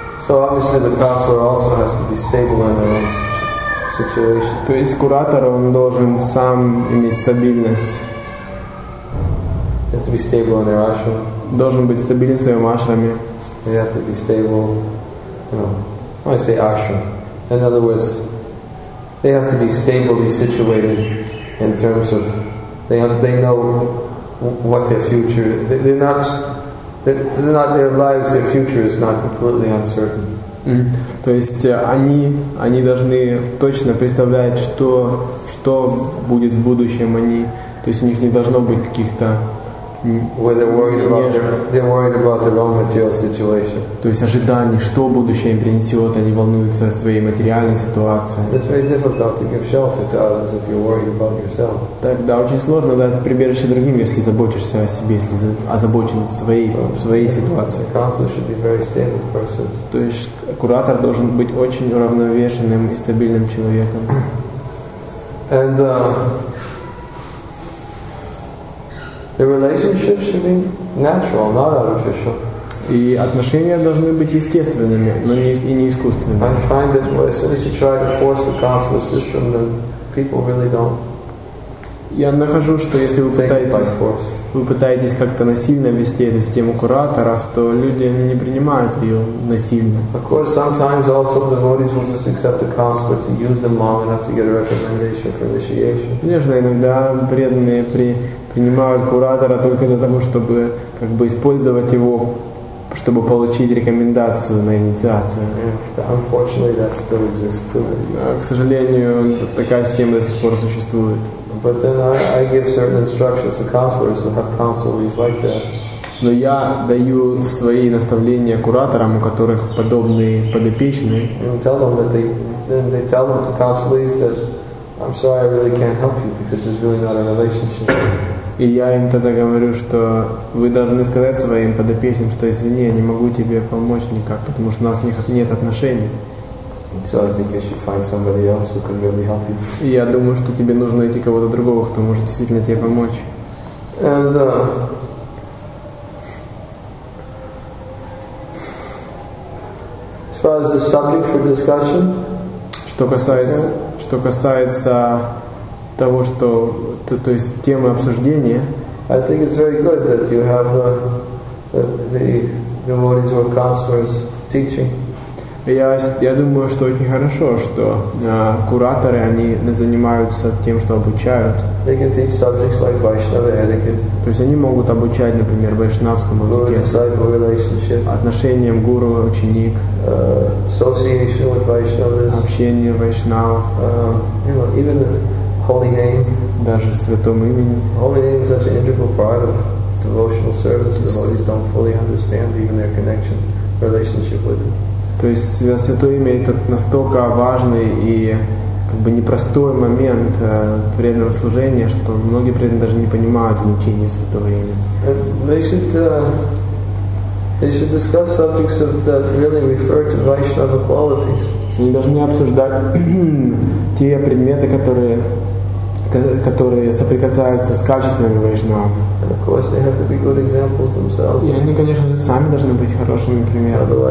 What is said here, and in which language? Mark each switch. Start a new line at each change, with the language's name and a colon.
English: So, obviously the counselor also has to be stable in their own situation.
Russian: То есть куратор он должен сам иметь стабильность.
English: They have to be stable in their ashram.
Russian: Должен быть стабилен в своем ашраме.
English: They have to be stable. When I say ashram, in other words, they have to be stably situated in terms of they know what their future is. They're not their lives, their future is not completely uncertain. Mm-hmm.
Russian: То есть они должны точно представлять, что будет в будущем они. То есть у них не должно быть каких-то то есть ожидания, что будущее им принесет, они волнуются о своей материальной ситуации.
English: It's very difficult to give shelter to others if you're worried about yourself.
Russian: Тогда очень сложно дать прибежище другим, если заботишься о себе, если озабочен своей ситуацией.
English: Counselor should be very stable persons.
Russian: То есть куратор должен быть очень уравновешенным и стабильным человеком.
English: And the relationship should be natural, not artificial.
Russian: И отношения должны быть естественными, но не искусственными.
English: I find that as soon as you try to force the counselor system, then people really don't.
Russian: Я нахожу, что если вы пытаетесь как-то насильно вести эту систему кураторов, то люди не принимают ее насильно.
English: Of course, sometimes also devotees will just accept the counselor to use them long enough to get a recommendation for initiation.
Russian: Конечно, иногда преданные принимают куратора только для того, чтобы как бы использовать его, чтобы получить рекомендацию на инициацию.
English: Unfortunately, that still exists too.
Russian: К сожалению, такая система до сих пор существует.
English: But then I give certain instructions to counselors who have counselees like that.
Russian: Но я даю свои наставления кураторам, у которых подобные подопечные.
English: And tell them they tell them to counselees that I'm sorry, I really can't help you because there's really not a relationship.
Russian: И я им тогда говорю, что вы должны сказать своим подопечным, что извини, я не могу тебе помочь никак, потому что у нас нет отношений.
English: So I think you should find somebody else who can really help you.
Russian: И я думаю, что тебе нужно найти кого-то другого, кто может действительно тебе помочь.
English: And as far as the subject for discussion,
Russian: что касается того, что то есть темы обсуждения.
English: I think it's very good that you have the devotees or counselors teaching.
Russian: Я думаю, что очень хорошо, что кураторы они занимаются тем, что обучают.
English: They can teach subjects like Vaishnava etiquette.
Russian: То есть они могут обучать, например, вайшнавскому этикету, отношениям гуру-ученик,
English: association with Vaishnavas,
Russian: общение вайшнавов,
English: even the holy name.
Russian: Даже святом имени.
English: Holy name is such an integral part of devotional service. Devotees don't fully understand even their connection, relationship with it.
Russian: То есть святое имя это настолько важный и как бы непростой момент преданного служения, что многие преданные даже не понимают значение святого имени.
English: They should discuss subjects that really refer to Vaishnava qualities.
Russian: Они должны обсуждать те предметы, которые соприкасаются с качествами вайшнава. И они, конечно же, сами должны быть хорошими примерами.